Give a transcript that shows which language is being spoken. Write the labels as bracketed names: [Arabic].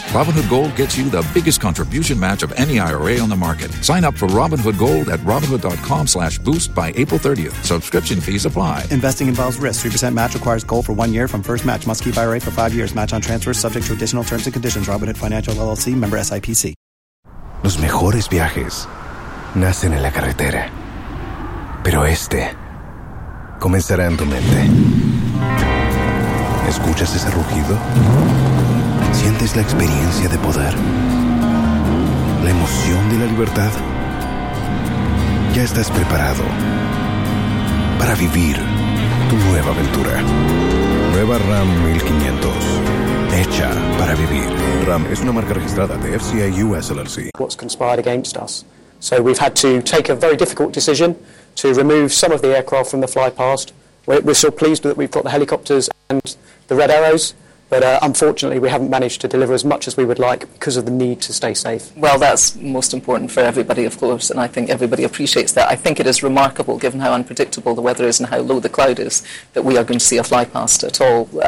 [English] Robinhood Gold gets you the biggest contribution match of any IRA on the market. Sign up for Robinhood Gold at Robinhood.com/boost by April 30th. Subscription fees apply. Investing involves risk. 3% match requires gold for 1 year from first match. Must keep IRA for 5 years. Match on transfers subject to additional terms and conditions. Robinhood Financial LLC, member SIPC. [Spanish] Los mejores viajes nacen en la carretera, pero este comenzará en tu mente. ¿Escuchas ese rugido? ¿Sientes la experiencia de poder? ¿La emoción de la libertad? Ya estás preparado para vivir tu nueva aventura. Nueva Ram 1500. Hecha para vivir. Ram es una marca registrada de FCA US LLC. [English] What's conspired against us? So we've had to take a very difficult decision to remove some of the aircraft from the flypast. We're still pleased that we've got the helicopters and the Red Arrows, but unfortunately we haven't managed to deliver as much as we would like because of the need to stay safe. Well, that's most important for everybody, of course, and I think everybody appreciates that. I think it is remarkable, given how unpredictable the weather is and how low the cloud is, that we are going to see a flypast at all.